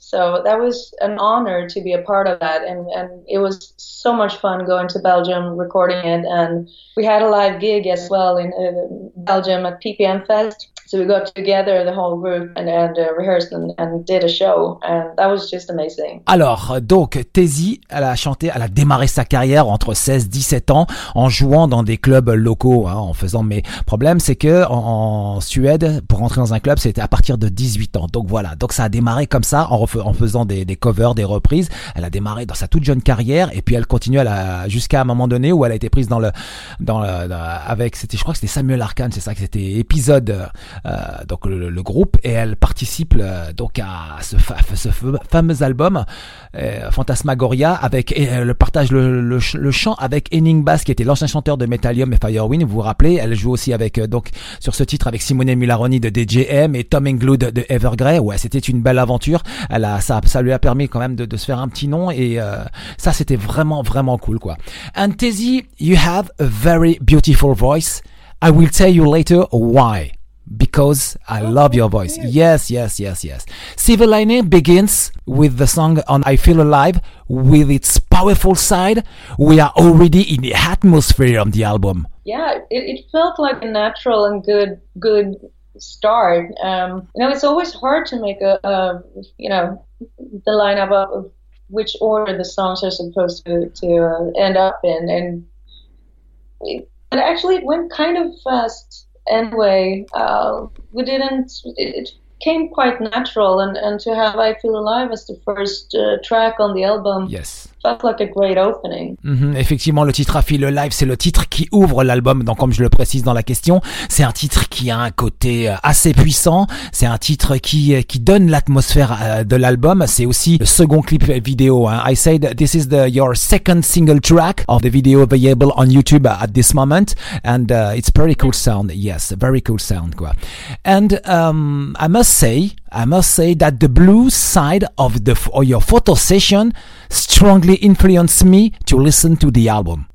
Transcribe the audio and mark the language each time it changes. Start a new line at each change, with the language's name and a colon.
English: So that was an honor to be a part of that. And it was so much fun going to Belgium, recording it. And we had a live gig as well in Belgium at PPM Fest. So we got together, the whole group, and rehearsed and did a show. And that was just amazing.
French: Alors, donc, Tézy, elle a démarré sa carrière entre 16 et 17 ans en jouant dans des clubs locaux. Hein, en faisant. Mais le problème, c'est qu'en Suède, pour rentrer dans un club, c'était à partir de 18 ans. Donc voilà, donc ça a démarré comme ça en faisant des covers, des reprises. Elle a démarré dans sa toute jeune carrière et puis elle continue jusqu'à un moment donné où elle a été prise je crois que c'était Samuel Arkan, c'est ça, que c'était Épisode, donc le groupe, et elle participe donc à ce fameux album Fantasmagoria avec le chant avec Henning Bass, qui était l'ancien chanteur de Metalium et Firewind. Vous vous rappelez, elle joue aussi avec donc sur ce titre avec Simone Mularoni de DJM et Tom Englund de Evergreen. Ouais, c'était une belle aventure. Ça lui a permis quand même de se faire un petit nom, et ça, c'était vraiment vraiment cool, quoi.
English: And Tézy, you have a very beautiful voice. I will tell you later why. Because I love your voice. Yes, yes, yes, yes. Silver Lining begins with the song on I Feel Alive. With its powerful side, we are already in the atmosphere of the album. Yeah, it felt like a natural and good start. It's always hard to make the lineup of which order the songs are supposed to end up in, and actually it went kind of fast anyway. It came quite natural, and to have I Feel Alive as the first track on the album, yes, felt like a great opening. Mm-hmm.
French: Effectivement, le titre I Feel Alive, c'est le titre qui ouvre l'album, donc comme je le précise dans la question, c'est un titre qui a un côté assez puissant, c'est un titre qui donne l'atmosphère de l'album. C'est aussi le second clip vidéo, hein.
English: I said this is your second single track of the video available on YouTube at this moment, and it's pretty cool sound. Yes, very cool sound, quoi. And I must say that the blues side of your photo session strongly influenced me to listen to the album.